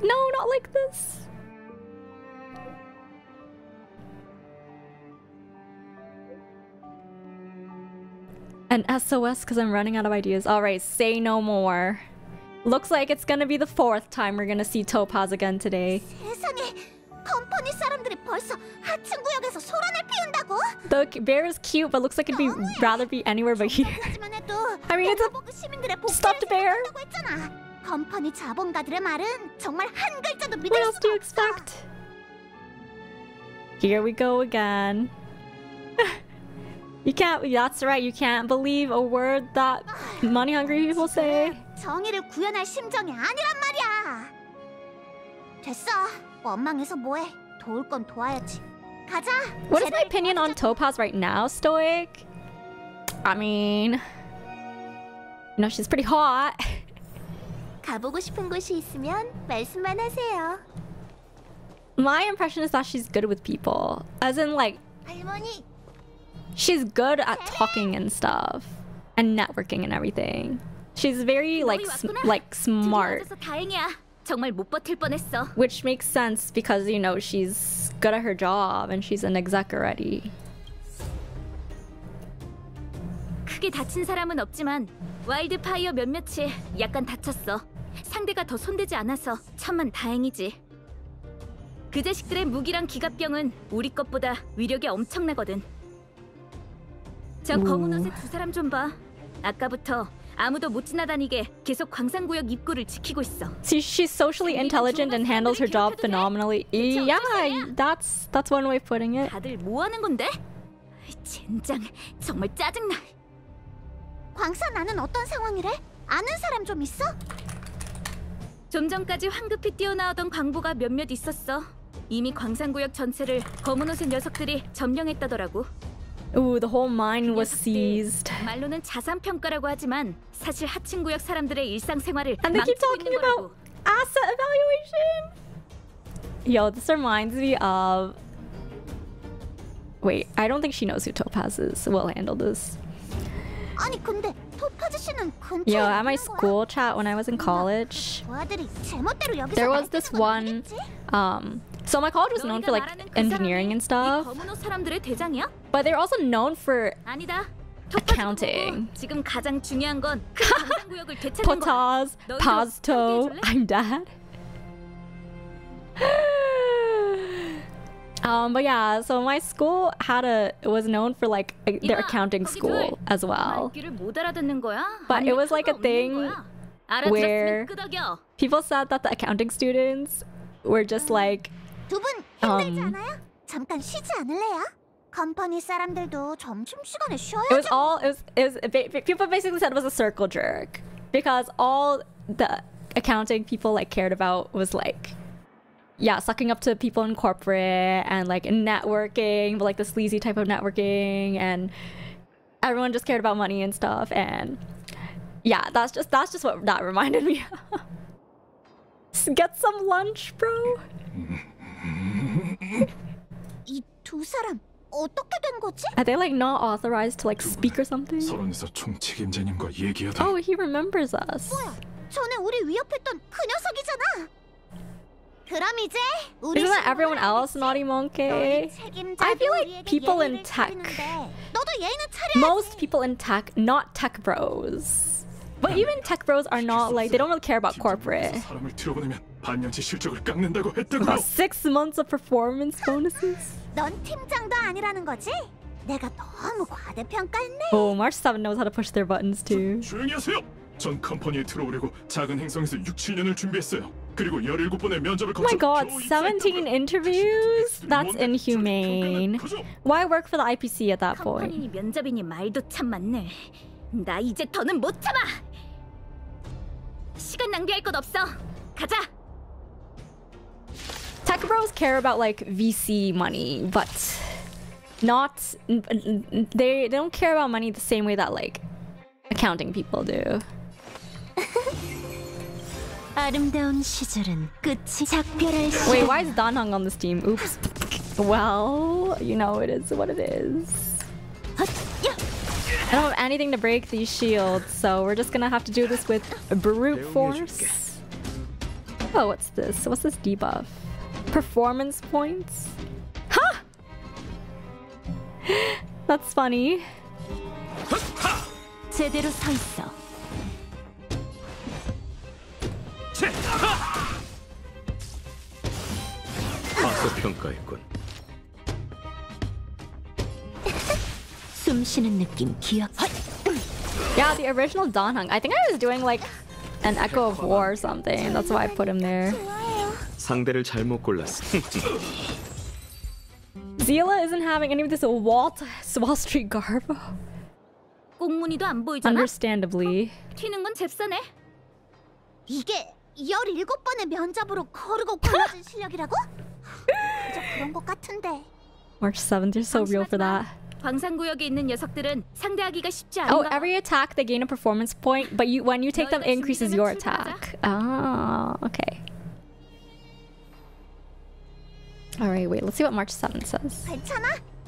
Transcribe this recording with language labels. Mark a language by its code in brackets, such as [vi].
[en] No, not like this. An SOS because I'm running out of ideas. All right, say no more. Looks like it's gonna be the fourth time we're gonna see Topaz again today. [ko] 세상에, 컴퍼니 사람들이 벌써 하층 구역에서 소란을 피운다고? [en] The bear is cute, but looks like it'd be rather be anywhere but here. I mean, it's a stuffed bear. [ko] 컴퍼니 자본가들의 말은 정말 한 글자도 믿을 [en] What else [ko] 수가 [en] do you expect? [ko] 없어. [en] Here we go again. You can't. That's right. You can't believe a word that money-hungry people say. [ko] 정의를 구현할 심정이 아니란 말이야. 됐어. 원망해서 뭐해? 도울 건 도와야지. 가자. [en] What is my opinion on Topaz right now, Stoic? I mean, you know she's pretty hot. [ko] 가보고 싶은 곳이 있으면 말씀만 하세요. [en] My impression is that she's good with people. As in like... [ko] 할머니! [en] She's good at talking and stuff. And networking and everything. She's very like, smart. [ko] 다행이야. 정말 못 버틸 뻔했어. [en] Which makes sense because, you know, she's good at her job and she's an exec already. [ko] 크게 다친 사람은 없지만 와일드파이어 몇몇이 약간 다쳤어. 상대가 더 손대지 않아서 천만 다행이지. 그 자식들의 무기랑 기갑병은 우리 것보다 위력이 엄청나거든. 저 검은 옷에 두 사람 좀 봐. 아까부터 아무도 못 지나다니게 계속 광산구역 입구를 지키고 있어. [en] See, she's socially intelligent and handles her job phenomenally. Yeah, that's one way of putting it. [ko] 다들 뭐 하는 건데? 젠장, 정말 짜증나. 광산 안은 어떤 상황이래? 아는 사람 좀 있어? 좀 전까지 황급히 뛰어나오던 광부가 몇몇 있었어. 이미 광산구역 전체를 검은 옷의 녀석들이 점령했다더라고. [en] Ooh, the whole mine was seized. [ko] 말로는 자산 평가라고 하지만 사실 하층 구역 사람들의 일상 생활을 [en] And they keep talking about asset evaluation. Yo, this reminds me of. Wait, I don't think she knows who Topaz is. We'll handle this. [ko] 아니 근데 토파즈 씨는 근처에 [en] Yo, at my school chat when I was in college, there was this one. So my college was known for like engineering and stuff. [ko] 검은 옷 사람들의 대장이야? [en] But they're also known for [ko] 아니다. [en] accounting. [ko] 지금 가장 중요한 건 그 광산 구역을 되찾는 거야. [en] Potaz, Pazto, I'm dead. but yeah, so my school had a was known for like a, their accounting school as well. [ko] 말귀를 못 알아듣는 거야? [en] But it was like a thing where people said that the accounting students were just like [ko] 두 분 힘들지 않아요? 잠깐 쉬지 않을래요? 컴퍼니 사람들도 점심 시간에 쉬어야죠. [en] It was all people basically said it was a circle jerk because all the accounting people like cared about was like yeah, sucking up to people in corporate and like networking, but like the sleazy type of networking and everyone just cared about money and stuff and yeah, that's just what that reminded me of. Get some lunch, bro. [ko] 이 두 사람 어떻게 된 거지? [en] Are they like not authorized to like speak or something? [ko] 서론에서 총 책임자님과 얘기하다. [en] Oh, he remembers us. [ko] 뭐야? 전에 우리 위협했던 그 녀석이잖아. 그럼 이제 우리 [en] Isn't that everyone else, Naughty Monkey? I feel like people in tech. [ko] 너도 예의는 차려야지. [en] Most people in tech, not tech bros. But even tech bros are not like they don't really care about corporate. [ko] 사람을 들어보내면 반년치 실적을 깎는다고 했더구요. [en] Six months of performance bonuses? [ko] 넌 팀장도 아니라는 거지? 내가 너무 과대평가했네. [en] Oh, March 7 knows how to push their buttons too. [ko] 조용히 하세요! 전 컴퍼니에 들어오려고 작은 행성에서 6-7년을 준비했어요. 그리고 17번의 면접을 거쳐 [en] Oh my god, 17 interviews? That's inhumane. Why work for the IPC at that point? [ko] 컴퍼니니 면접이니 말도 참 많네. 나 이제 더는 못 참아! 시간 낭비할 것 없어! 가자! [en] Tech bros care about like VC money, but not they don't care about money the same way that like accounting people do. [ko] 아름다운 시절은 끝이 작별할 시. [en] Wait, why is Don Hung on this team? Oops. Well, you know it is what it is. I don't have anything to break these shields, so we're just gonna have to do this with brute force. Oh, what's this? What's this debuff? Performance points? Ha! That's funny. [ko] 제대로 서 있어. 파서 평가했군. 숨 쉬는 느낌 기억. [en] Yeah, the original Don Hung. I think I was doing like an Echo of War or something. That's why I put him there. [ko] 상대를 잘못 골랐어. [en] Zila isn't having any of this Wall Street garb. [ko] 꽁무니도 안 보이잖아. [en] Understandably. [ko] 튀는 건 잽싸네. 이게 17번의 면접으로 거르고 골라진 실력이라고? 그저 그런 것 같은데. [en] March 7th, you're so real for that. [ko] 광산구역에 있는 녀석들은 상대하기가 쉽지 않아. [en] Oh, every attack they gain a performance point, but when you take them, it increases your attack. Oh, okay. All right, wait, let's see what March 7th says.